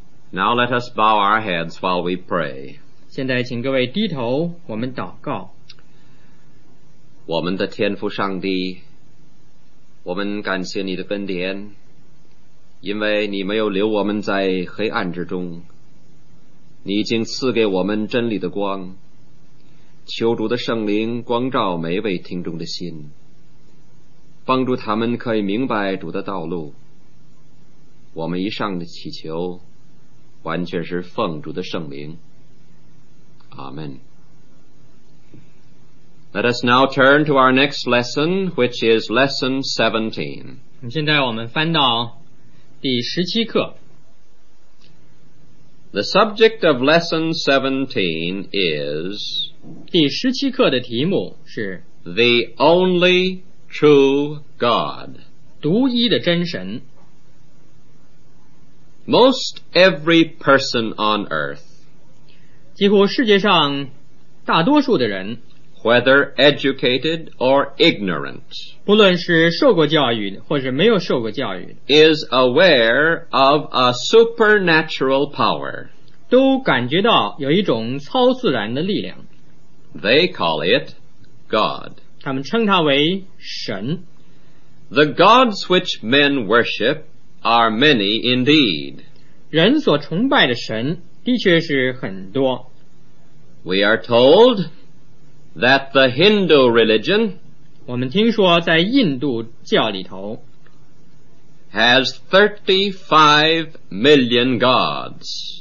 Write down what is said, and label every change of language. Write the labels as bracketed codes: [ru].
[en] Now let us bow our heads while we pray. [zh] 现在请各位低头，我们祷告。我们的天父上帝，我们感谢你的恩典，因为你没有留我们在黑暗之中，你已经赐给我们真理的光。求主的圣灵光照每一位听众的心，帮助他们可以明白主的道路。我们以上的祈求完全是奉主的圣灵，阿们。 [en] Let us now turn to our next lesson, which is lesson 17. [zh] 现在我们翻到第十七课。 [en] The subject of lesson 17 is [zh] 第十七课的题目是 [en] The only true God, [zh] 独一的真神。 [en] Most every person on earth, [zh] 几乎世界上大多数的人， [en] whether educated or ignorant, [zh] 不论是受过教育或是没有受过教育， [en] is aware of a supernatural power, [zh] 都感觉到有一种超自然的力量。 [en] They call it God, [zh] 他们称它为神。 [en] The gods which men worship are many indeed, [zh] 人所崇拜的神的确是很多。 [en] We are told that the Hindu religion, [zh] 我们听说在印度教里头， [en] has 35 million gods,